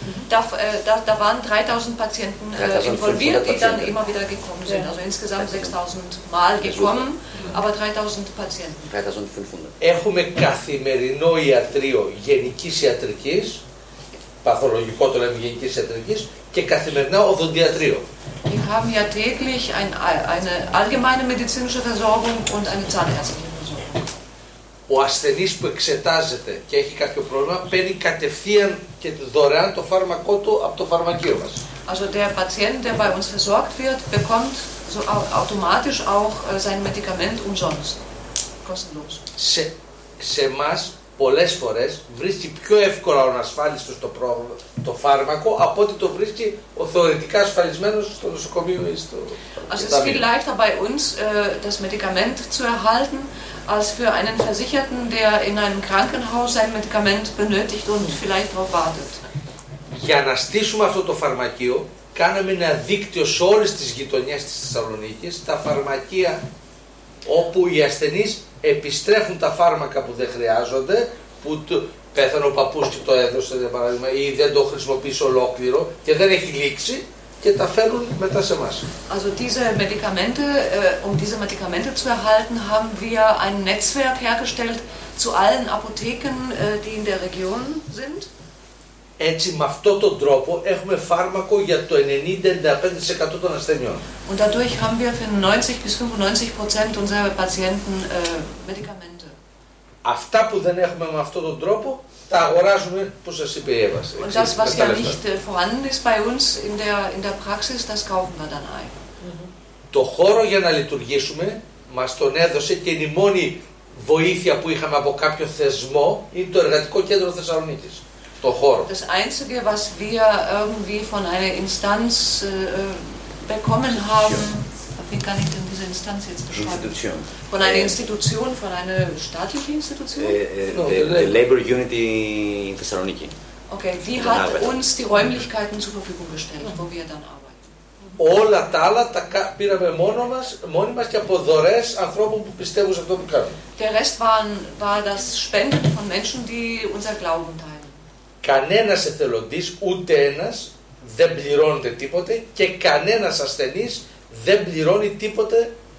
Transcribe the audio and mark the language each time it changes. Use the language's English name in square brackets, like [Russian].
[German] Da waren 3.000 Patienten involviert, die dann immer wieder gekommen sind. Also insgesamt 6.000 Mal gekommen, aber 3.000 Patienten. 3.500. [Greek] Έχουμε καθημερινό ιατρείο γενικής ιατρικής, παθολογικό το λέμε γενικής ιατρικής, και καθημερινά οδοντιατρείο. [German] Wir haben ja täglich eine allgemeine medizinische Versorgung und eine Zahnärztin. [Greek] Ο ασθενής που εξετάζεται και έχει κάποιο πρόβλημα παίρνει κατευθείαν και δωρεάν το φάρμακό του από το φαρμακείο μας. [German] Also der Patient, der bei uns versorgt wird, bekommt so automatisch auch sein Medikament umsonst, kostenlos. [Greek] Σε εμάς πολλές φορές βρίσκει πιο εύκολα ο ασφάλιστος το φάρμακο από ότι το βρίσκει ο θεωρητικά ασφαλισμένος στο νοσοκομείο ή στο. [German] Also es ist viel leichter bei uns das Medikament zu erhalten, als für einen Versicherten, der in einem Krankenhaus sein Medikament benötigt und vielleicht darauf wartet. [Greek] Για να στήσουμε αυτό το φαρμακείο, κάναμε ένα δίκτυο σε όλες τις γειτονιές της Θεσσαλονίκης, τα φαρμακεία όπου οι ασθενείς επιστρέφουν τα φάρμακα που δεν χρειάζονται, που πέθανε ο παππούς και το έδωσε, για παράδειγμα, ή δεν το χρησιμοποιήσει ολόκληρο και δεν έχει λήξει, και τα φέρουν μετά σε εμάς. [German] Also diese Medikamente, um diese Medikamente zu erhalten, haben wir ein Netzwerk hergestellt zu allen Apotheken, die in der Region sind. [Greek] Έτσι, με αυτόν τον τρόπο, έχουμε φάρμακο για το 90-95% των ασθενειών. [German] Und dadurch haben wir für 90-95% unserer Patienten Medikamente. [Greek] Αυτά που δεν έχουμε με αυτόν τον τρόπο, τα αγοράζουμε, που σας είπε η Εύα. [German] Und das, was ja nicht vorhanden ist bei uns in der Praxis, das kaufen wir dann ein. [Greek] Το χώρο για να λειτουργήσουμε μας τον έδωσε και η μόνη βοήθεια που είχαμε από κάποιο θεσμό είναι το Εργατικό Κέντρο Θεσσαλονίκης. Το χώρο. [German] Das Einzige, was wir irgendwie von einer Instanz bekommen haben, wie kann ich denn diese Instanz jetzt beschreiben? Von einer Institution, von einer staatlichen Institution? [English] The Labor Unity in Thessaloniki. [German] Okay, die hat uns die Räumlichkeiten zur Verfügung gestellt, wo wir dann arbeiten. [Greek] Όλα τα άλλα τα πήραμε μόνοι μας και από δωρές ανθρώπων που πιστεύουν σε αυτό που κάνουν. [German] Der Rest war das Spenden von Menschen, die unser Glauben teilen. [Greek] Κανένας εθελοντής, ούτε ένας, δεν πληρώνεται τίποτε και κανένας ασθενής δεν πληρώνει τίποτε.